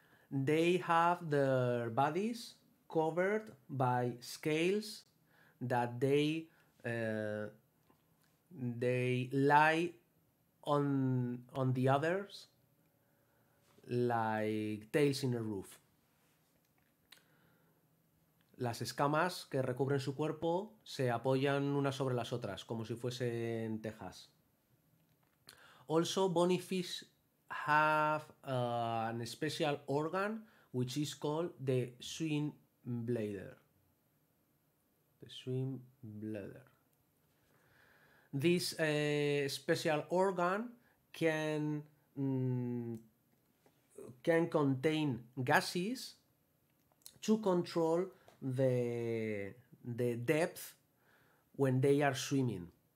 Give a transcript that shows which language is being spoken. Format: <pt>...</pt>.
<en>They have their bodies covered by scales that they lie on the others, like tails in a roof.</en> <es>Las escamas que recubren su cuerpo se apoyan unas sobre las otras, como si fuesen tejas.</es> <en>Also, bony fish have an special organ, which is called the swim bladder. The swim bladder. This special organ can contain gases to control the depth when they are swimming.</en>